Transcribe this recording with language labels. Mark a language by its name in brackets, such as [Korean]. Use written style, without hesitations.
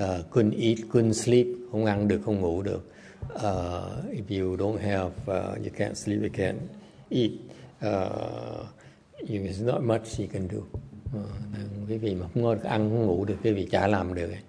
[English] couldn't eat, couldn't sleep, [Vietnamese] không ăn được, không ngủ được. [English] If you don't have, you can't sleep, you can't eat, there's not much you can do. [Vietnamese] Quý vị mà không ngồi ăn, không ngủ được, quý vị chả làm được.